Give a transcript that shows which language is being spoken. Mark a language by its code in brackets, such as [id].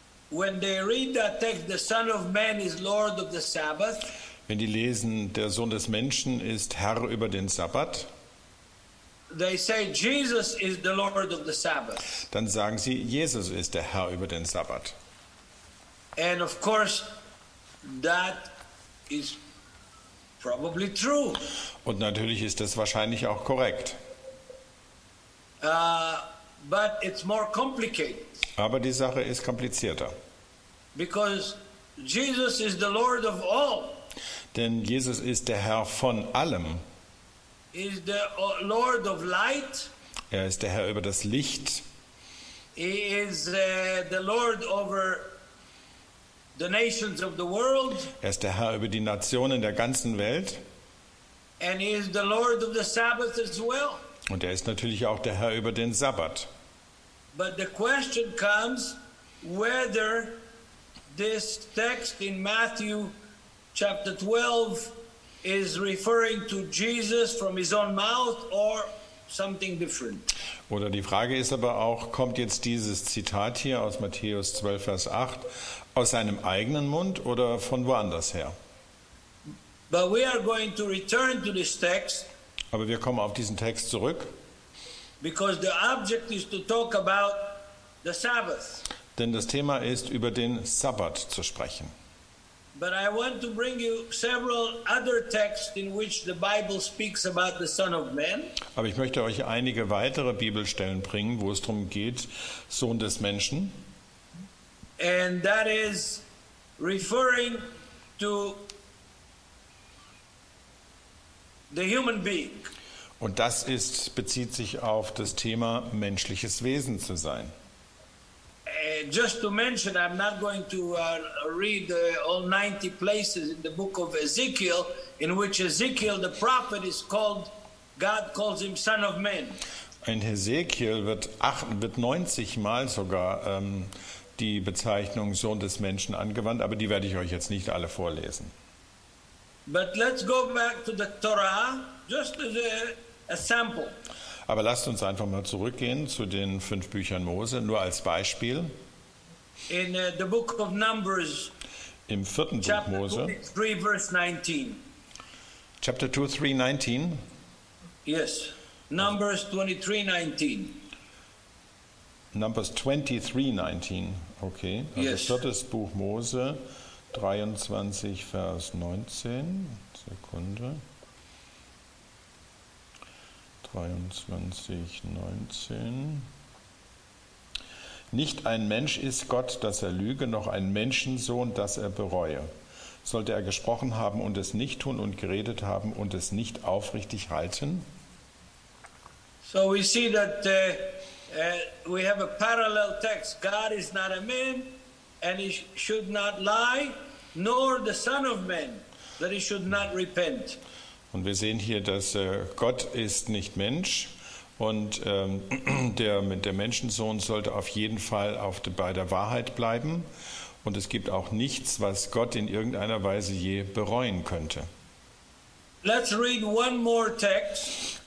[en] when they read that text, the Son of Man is Lord of the Sabbath, [de] wenn die lesen, der Sohn des Menschen ist Herr über den Sabbat, [en] they say Jesus is the Lord of the Sabbath. [de] Dann sagen sie, Jesus ist der Herr über den Sabbat. [en] And of course, that is probably true. [de] Und natürlich ist das wahrscheinlich auch korrekt. [en] But it's more complicated. [de] Aber die Sache ist komplizierter. [en] Because Jesus is the Lord of all. [de] Denn Jesus ist der Herr von allem. [en] He is the Lord of light. [de] Er ist der Herr über das Licht. [en] He is the Lord over the nations of the world. [de] Er ist der Herr über die Nationen der ganzen Welt. [en] And he is the Lord of the Sabbath as well. [de] Und er ist natürlich auch der Herr über den Sabbat. [en] But the question comes whether this text in Matthew chapter 12 is referring to Jesus from his own mouth or something different. [de] Oder die Frage ist aber auch, kommt jetzt dieses Zitat hier aus Matthäus 12 Vers 8 aus seinem eigenen Mund oder von woanders her? [en] But we are going to return to this text. [de] Aber wir kommen auf diesen Text zurück. [en] Because the object is to talk about the Sabbath. [de] Denn das Thema ist, über den Sabbat zu sprechen. [en] But I want to bring you several other texts in which the Bible speaks about the Son of Man. [de] Aber ich möchte euch einige weitere Bibelstellen bringen, wo es darum geht, Sohn des Menschen. [en] And that is referring to the human being. [de] Und das ist, bezieht sich auf das Thema menschliches Wesen zu sein. [en] Just to mention, I'm not going to read all 90 places in the book of Ezekiel, in which Ezekiel the prophet is called, God calls him Son of Man. [de] In Ezekiel wird 90 Mal sogar die Bezeichnung Sohn des Menschen angewandt, aber die werde ich euch jetzt nicht alle vorlesen. [en] But let's go back to the Torah, just as a sample. [de] Aber lasst uns einfach mal zurückgehen zu den fünf Büchern Mose, nur als Beispiel. [en] In the book of Numbers, [de] im vierten Buch [en] chapter [de] Mose, [en] 23, verse 19. Chapter 2, 3, 19. Yes, Numbers 23, 19. Numbers 23, 19, okay. Also yes. [de] Viertes Buch Mose, 23, Vers 19. Sekunde. 23, 19. Nicht ein Mensch ist Gott, dass er lüge, noch ein Menschensohn, dass er bereue. Sollte er gesprochen haben und es nicht tun und geredet haben und es nicht aufrichtig halten? [en] So we see that we have a parallel text. God is not a man and he should not lie, nor the son of man, that he should not repent. [de] Und wir sehen hier, dass Gott ist nicht Mensch und der Menschensohn sollte auf jeden Fall bei der Wahrheit bleiben. Und es gibt auch nichts, was Gott in irgendeiner Weise je bereuen könnte. [en] Let's read one more text.